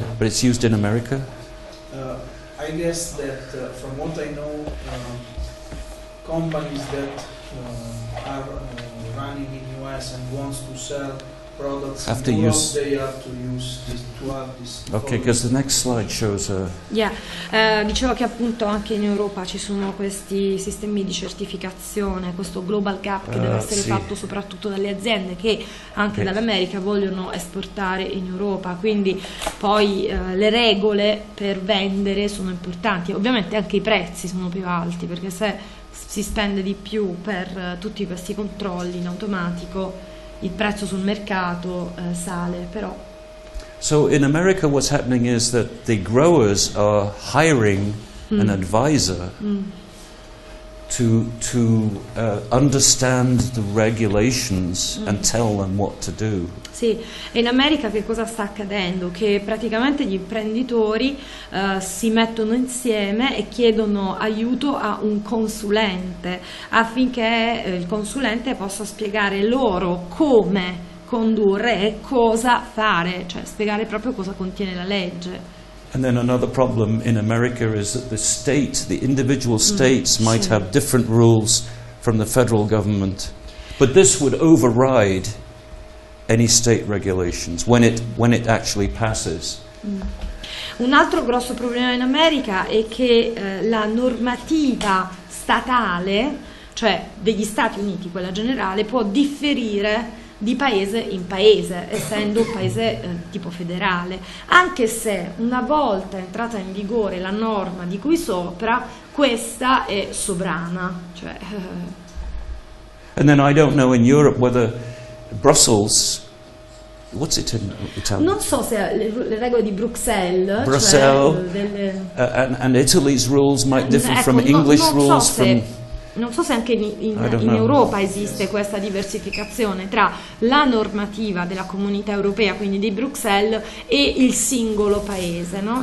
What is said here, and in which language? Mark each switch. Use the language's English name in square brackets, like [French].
[English] but it's used in America? I guess that, from what I know, companies that are running in US and wants to sell products have in to Europe, use they have to use this, to have this. Okay, because the next slide shows a. [Italian] Yeah, dicevo che appunto anche in Europa ci sono questi sistemi di certificazione, questo Global Gap che deve essere fatto soprattutto dalle aziende che anche dall'America vogliono esportare in Europa. Quindi poi le regole per vendere sono importanti. Ovviamente anche i prezzi sono più alti, perché se si spende di più per tutti questi controlli in automatico, il prezzo sul mercato sale, però. [English] So in America what's happening is that the growers are hiring an advisor to understand the regulations and tell them what to do. [Italian] Sì, in America che cosa sta accadendo? Che praticamente gli imprenditori si mettono insieme e chiedono aiuto a un consulente, affinché il consulente possa spiegare loro come condurre e cosa fare, cioè spiegare proprio cosa contiene la legge. [English] And then another problem in America is that the state, the individual states might have different rules from the federal government. But this would override any state regulations when it actually passes. [Italian] Un altro grosso problema in America è che la normativa statale, cioè degli Stati Uniti, quella generale, può differire di paese in paese, essendo un paese tipo federale, anche se una volta entrata in vigore la norma di cui sopra, questa è sovrana, cioè. [English] And then I don't know in Europe whether Brussels, what's it in Italian? [Italian] Non so se le regole di Bruxelles, cioè [English] and Italy's rules might differ from English rules. [Italian] Se Non so se anche in Europa esiste questa diversificazione tra la normativa della Comunità Europea, quindi di Bruxelles, e il singolo paese, no?